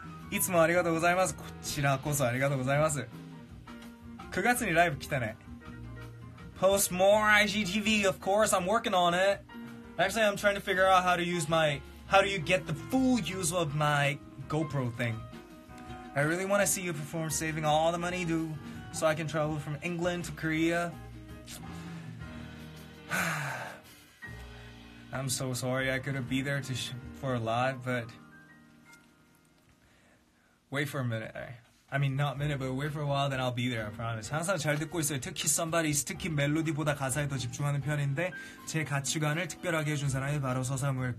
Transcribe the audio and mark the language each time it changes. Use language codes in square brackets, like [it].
[ja] いつもありがとうございます.こちらこそありがとうございます. 9月に ライブ 来たね. [en] Post more IGTV, of course, I'm working on it. Actually, I'm trying to figure out how to use my... How do you get the full use of my GoPro thing? I really want to see you perform saving all the money due so I can travel from England to Korea. I'm so sorry I couldn't be there to for a live, but... Wait for a minute, eh? I mean, not minute, but wait for a while, then I'll be there, I promise. [ko] 항상 잘 듣고 있어요. 특히 somebody's, 특히 멜로디보다 가사에 더 집중하는 편인데 제 가치관을 특별하게 해준 사람이 바로 서사무엘.